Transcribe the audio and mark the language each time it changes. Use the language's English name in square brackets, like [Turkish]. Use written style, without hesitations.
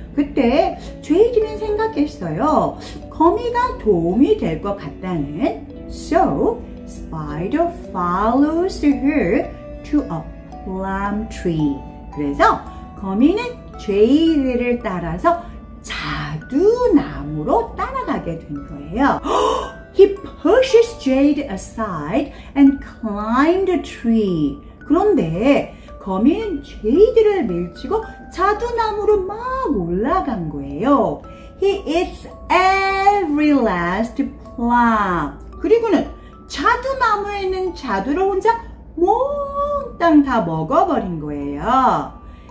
[Korean] 그때 제이드는 생각했어요. 거미가 도움이 될 것 같다는. [English] So, Spider follows her to a plum tree. [Korean] 그래서 거미는 제이드를 따라서 자두나무로 따라가게 된 거예요. [English] He pushes Jade aside and climbed a tree. [Korean] 그런데 거미는 제이드를 밀치고 자두나무로 막 올라간 거예요. [English] He eats every last plum. [Korean] 그리고는 자두나무에 있는 자두를 혼자 몽땅 다 먹어버린 거예요.